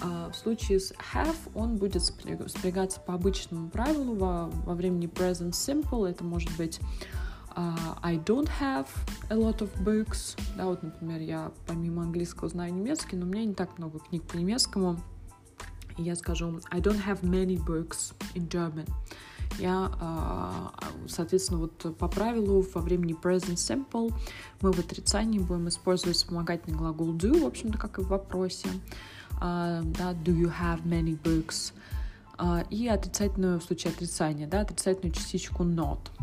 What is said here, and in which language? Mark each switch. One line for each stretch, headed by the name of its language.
Russian: В случае с have он будет спрягаться по обычному правилу во времени present simple. Это может быть
English: I don't have a lot of books.
Russian: Да, вот, например, я помимо английского знаю немецкий, но у меня не так много книг по немецкому. Я скажу
English: I don't have many books in German.
Russian: Я, соответственно, вот по правилу во времени present simple мы в отрицании будем использовать вспомогательный глагол do, в общем-то, как и в вопросе. Да,
English: do you have many books?
Russian: И отрицательную, в случае отрицания, да, отрицательную частичку not.